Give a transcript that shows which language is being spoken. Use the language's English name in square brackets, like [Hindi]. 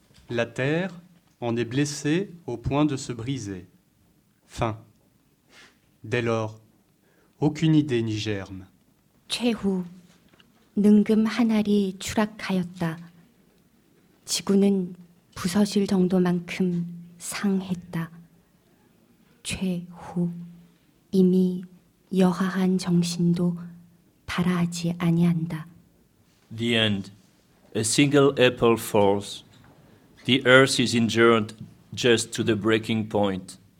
[French] La terre en est blessée au point de se briser. Fin. Dès lors, aucune idée n'y germe. [Korean] 최후, 능금 한 알이 추락하였다. 지구는 부서질 정도만큼 상했다. 최후, 이미 여하한 정신도 바라하지 아니한다. [English] The end. A single apple falls. The earth is injured just to the breaking point.